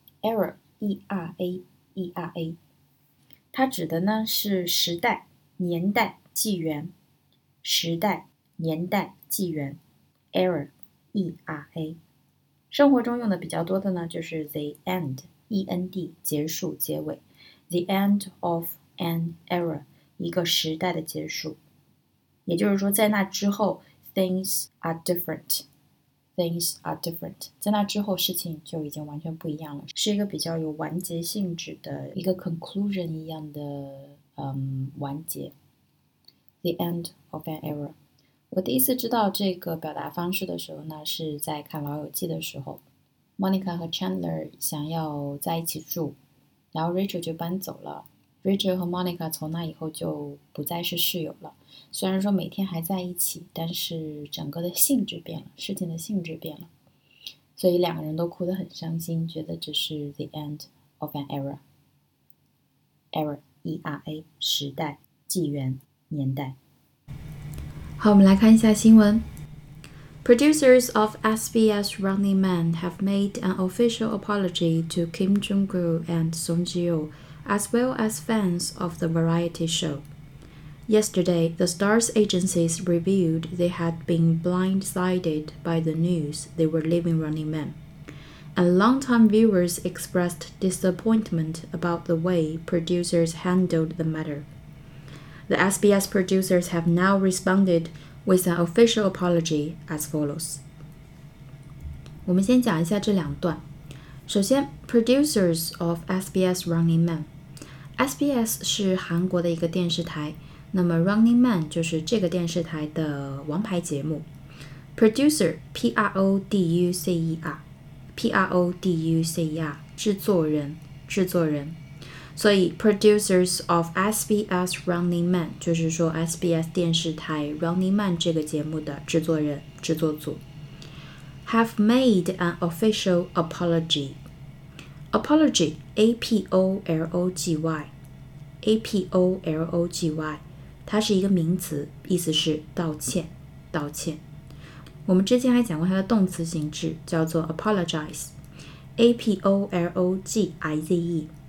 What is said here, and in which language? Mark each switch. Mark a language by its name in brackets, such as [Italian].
[Chinese] Era, era, 它指的呢是时代、年代、纪元。时代、年代、纪元。Era, era. 生活中用的比较多的呢就是 the end, end, 结束、结尾。 [English] The end of an era, [Chinese] 一个时代的结束。也就是说，在那之后。 [English] Things are different. Things are different. [Chinese] 在那之后，事情就已经完全不一样了，是一个比较有完结性质的一个 conclusion 一样的完结。 [English] The end of an era. [Chinese] 我第一次知道这个表达方式的时候呢，是在看《老友记》的时候，Monica 和 Chandler 想要在一起住，然后 Rachel 就搬走了。 Rachel 和 Monica 从那以后就不再是室友了，虽然说每天还在一起，但是整个的性质变了，事情的性质变了，所以两个人都哭得很伤心，觉得这是 [English] the end of an era， [Chinese] era 时代、纪元、年代。好，我们来看一下新闻。 [English] Producers of SBS Running Man have made an official apology to Kim Jong-gil and Song Ji-yeo, as well as fans of the variety show. Yesterday, the stars' agencies revealed they had been blindsided by the news they were leaving Running Man. And longtime viewers expressed disappointment about the way producers handled the matter. The SBS producers have now responded with an official apology as follows. [Chinese] 我们先讲一下这两段。首先， [English] producers of SBS Running Man。 [Chinese] SBS 是韩国的一个电视台，那么 Running Man 就是这个电视台的王牌节目。 Producer P-R-O-D-U-C-E-R 制作人，制作人。所以 [English] producers of SBS Running Man [Chinese] 就是说 SBS 电视台 Running Man 这个节目的制作人、制作组 [English] have made an official apology. [Chinese] Apology, A-P-O-L-O-G-Y, 它是一个名词，意思是道歉、道歉。我们之前还讲过它的动词形式，叫做 apologize, A-P-O-L-O-G-I-Z-E.